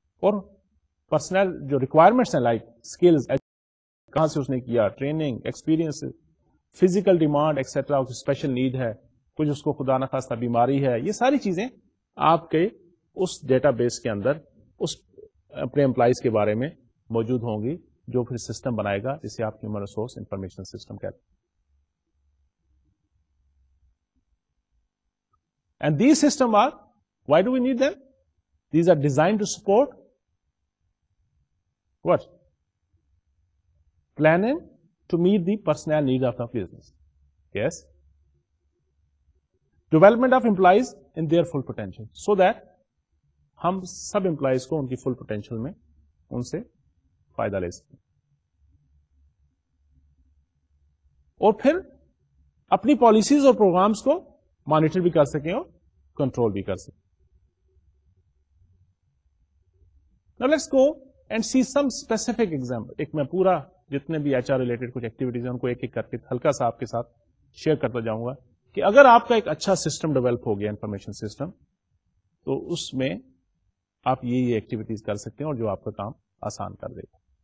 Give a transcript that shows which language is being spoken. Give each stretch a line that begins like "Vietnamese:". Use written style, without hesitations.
Urdu: اور پرسنل جو ریکوائرمنٹس ہیں لائک اسکلز کہاں سے اس نے کیا training experience physical demand etcetera special need ہے کچھ اس کو خدا نخواستہ بیماری ہے یہ ساری چیزیں آپ کے اس ڈیٹا بیس کے اندر اس اپنے امپلائیز کے بارے میں موجود ہوں گی جو پھر سسٹم بنائے گا جسے آپ ہیومن ریسورس انفارمیشن سسٹم کہتے ہیں
English: And these systems are, why do we need them? These are designed to support what? Planning to meet the personnel needs of the business. Yes? Development of employees in their full potential. So that
Urdu: ہم سب employees کو ان کی full potential میں ان سے فائدہ لے سکتے ہیں. اور پھر اپنی پالیسیز اور پروگرامز کو مانیٹر بھی کر سکیں اور کنٹرول بھی کر سکیں.
English: Now let's go and see some specific example.
Urdu: ایک میں پورا جتنے بھی ایچ آر ریلیٹڈ کچھ ایکٹیویٹیز ہیں ان کو ایک ایک کر کے ہلکا سا آپ کے ساتھ شیئر کرتا جاؤں گا کہ اگر آپ کا ایک اچھا سسٹم ڈیولپ ہو گیا انفارمیشن سسٹم تو اس میں آپ یہ ایکٹیویٹیز کر سکتے ہیں اور جو آپ کا کام آسان کر دے گا.